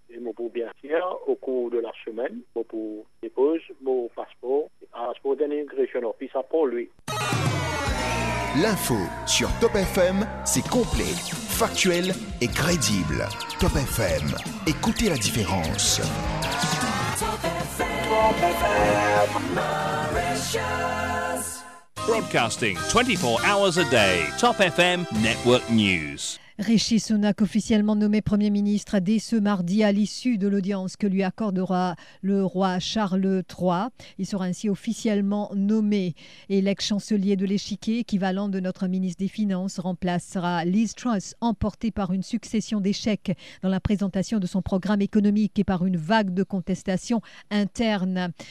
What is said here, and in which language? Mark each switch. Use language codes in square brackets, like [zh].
[fr] Et mon pour bien sûr, au cours de la semaine, mon pour dépose mon passeport à Passport and Immigration Office à pour lui. L'info sur Top FM, c'est complet, factuel et crédible. Top FM, écoutez la différence. Top FM, [en] Mauritius. Broadcasting 24 hours a day. Top FM, Network News. [fr] Rishi Sunak, officiellement nommé Premier ministre dès ce mardi à l'issue de l'audience que lui accordera le roi Charles III. Il sera ainsi officiellement nommé. Et l'ex-chancelier de l'échiquier, équivalent de notre ministre des Finances, remplacera Liz Truss, emportée par une succession d'échecs dans la présentation de son programme économique et par une vague de contestations internes.